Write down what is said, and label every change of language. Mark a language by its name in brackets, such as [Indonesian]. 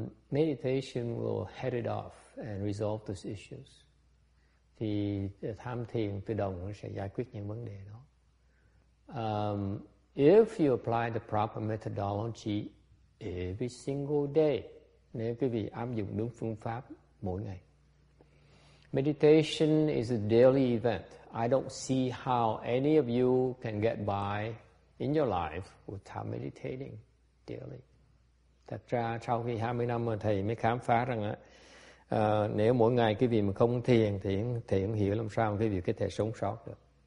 [English] Meditation will head it off and resolve those issues. [Vietnamese] Thì tham thiền tự động sẽ giải quyết những vấn đề đó. [English] If you apply the proper methodology every single day, [Vietnamese] nếu quý vị áp dụng đúng phương pháp mỗi ngày. [English] Meditation is a daily event. I don't see how any of you can get by in your life without meditating daily. [Vietnamese] Thật ra sau khi 20 năm mà thầy mới khám phá rằng Nếu mỗi ngày quý vị mà không thiền thì không hiểu làm sao quý vị có thể sống sót được.